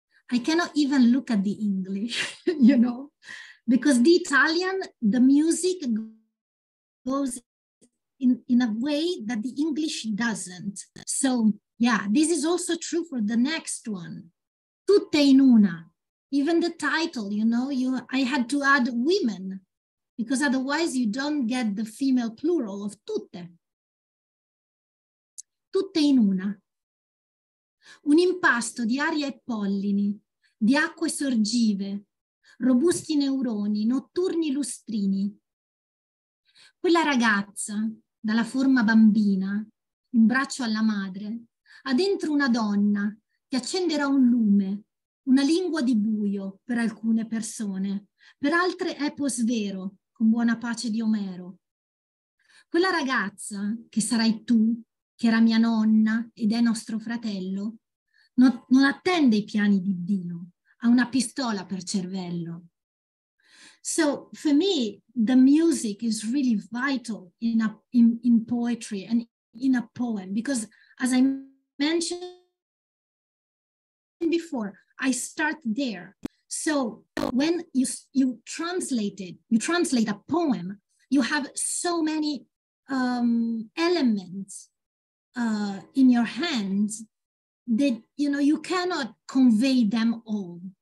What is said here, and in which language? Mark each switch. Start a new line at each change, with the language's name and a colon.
English: I cannot even look at the English, you know, because the Italian, the music goes in a way that the English doesn't. So, yeah, this is also true for the next one.
Italian: Tutte in una.
English: Even the title, you know, I had to add women, because otherwise you don't get the female plural of tutte.
Italian: Tutte in una. Un impasto di aria e pollini, di acque sorgive, robusti neuroni, notturni lustrini. Quella ragazza, dalla forma bambina, in braccio alla madre, ha dentro una donna che accenderà un lume, una lingua di buio per alcune persone, per altre epos vero, con buona pace di Omero. Quella ragazza, che sarai tu, che era mia nonna ed è nostro fratello, non attende i piani di Dio, ha una pistola per cervello.
English: So for me, the music is really vital in poetry and in a poem, because as I mentioned before, I start there. So when you translate it, you translate a poem, you have so many elements in your hands that, you know, you cannot convey them all.